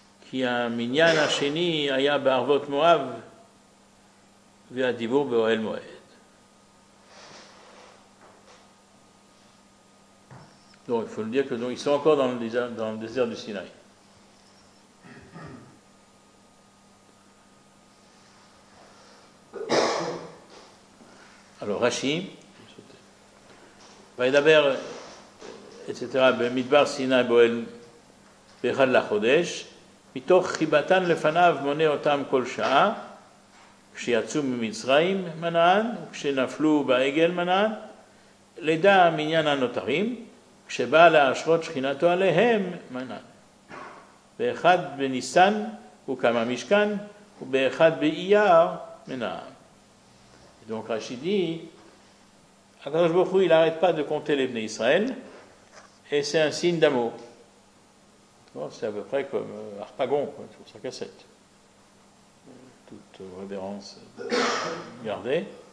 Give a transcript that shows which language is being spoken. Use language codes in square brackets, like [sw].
[he] כי המניין השני היה בערבות מואב והדיבור באוהל מועד. [fr] Donc il faut le dire que donc ils sont encore dans le désert du Sinaï. Alors Rashi va d'abord etc. [he] במדבר סיני באוהל באחד לחודש מתוך חיבתן לפניו מונה אותם כל שעה, כשיצאו ממצרים מנען, וכשנפלו בעגל מנען, לדע מניין הנותרים, כשבא להשרות שכינתו עליהם מנען. באחד בניסן הוא קם המשכן, ובאחד באייר מנען. [fr] Donc Rashi dit, [he] הקדוש ברוך הוא, [fr] il n'arrête pas de compter les bnei Israël, et c'est un signe d'amour. Bon, c'est à peu près comme Harpagon sur sa cassette. Toute révérence gardée.